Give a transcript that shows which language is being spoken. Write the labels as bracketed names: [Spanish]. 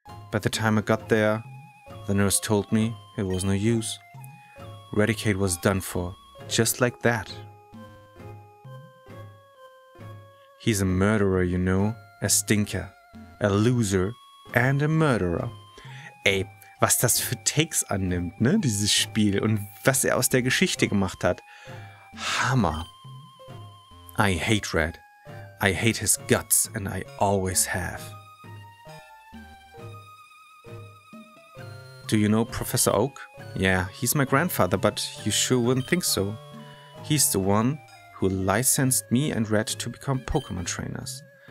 [English] By the time I got there, the nurse told me it was no use. Raticate was done for, just like that. He's a murderer, you know, a stinker, a loser and a murderer. [German] Ey, was das für Takes annimmt, ne, dieses Spiel und was er aus der Geschichte gemacht hat. [English] Hammer. I hate Red. I hate his guts and I always have. Do you know Professor Oak? Yeah, he's my grandfather, but you sure wouldn't think so. He's the one who licensed me and Red to become Pokemon trainers.